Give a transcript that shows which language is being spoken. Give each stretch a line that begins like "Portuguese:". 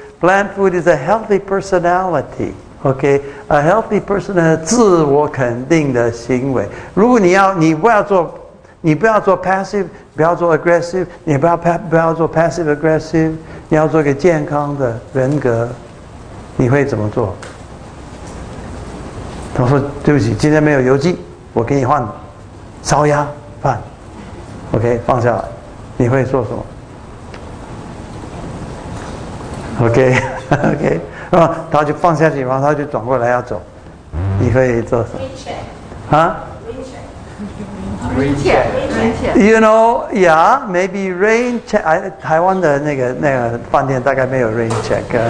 English: Plant food is a healthy personality, okay? A healthy personality,
Chinese: 自我肯定的行为。如果你不要做 passive, 不要做 aggressive, 你不要做 passive aggressive, 你要做一个健康的人格，你会怎么做？他说，对不起，今天没有油鸡。我给你换烧鸭饭 ，OK， 放下来，你会做什么 ？OK， 然后他就放下去，然后他就转过来要走，你会做什么？啊
English: ？Rain check. You know, yeah, maybe rain check.
Chinese: 台湾的那个饭店大概没有 rain check.